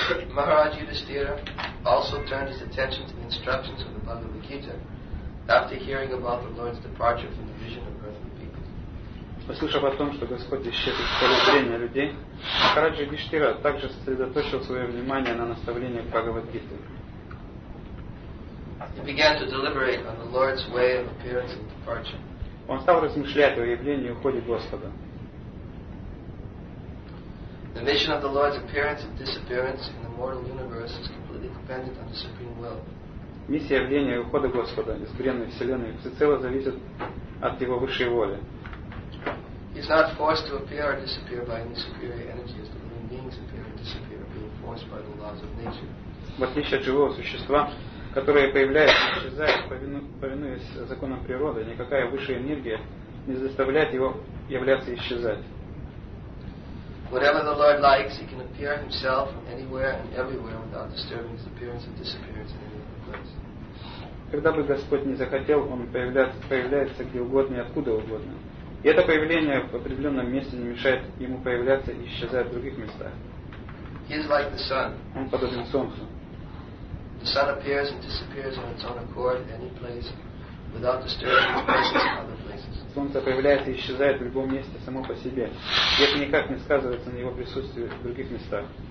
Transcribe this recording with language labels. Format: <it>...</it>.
<en>Maharaj Yudhisthira also turned his attention to the instructions of the Bhagavad Gita after hearing about the Lord's departure from the vision of earthly people.</en> <ru>Послушав о том, что Господь исчезает из поля зрения людей, Махарадж Юдхиштхира также сосредоточил свое внимание на наставлении Бхагавад Гиты.</ru> <en>He began to deliberate on the Lord's way of appearance and departure.</en> <ru>Он стал размышлять о явлении и уходе Господа.</ru> <en>The mission of the Lord's appearance and disappearance in the mortal universe is completely dependent on the supreme will.</en> <ru>Миссия явления и ухода Господа из бренной вселенной всецело зависит от Его высшей воли.</ru> <en>He is not forced to appear or disappear by any superior energy, as the living beings appear or disappear, being forced by the laws of nature.</en> <ru>В отличие от живого существа, которое появляется и исчезает, повинуясь законам природы, никакая высшая энергия не заставляет его являться и исчезать.</ru> <en>Whatever the Lord likes, he can appear himself anywhere and everywhere without disturbing his appearance and disappearance in any other place.</en> <ru>Когда бы Господь не захотел, он появляется где угодно и откуда угодно. И это появление в определенном месте не мешает ему появляться и исчезать в других местах.</ru> <en>He is like the sun.</en> <ru>Он подобен солнцу.</ru> <en>The sun appears and disappears on its own accord in any place without disturbing his presence in other places.</en> <ru>Солнце появляется и исчезает в любом месте само по себе, и это никак не сказывается на его присутствии в других местах.</ru>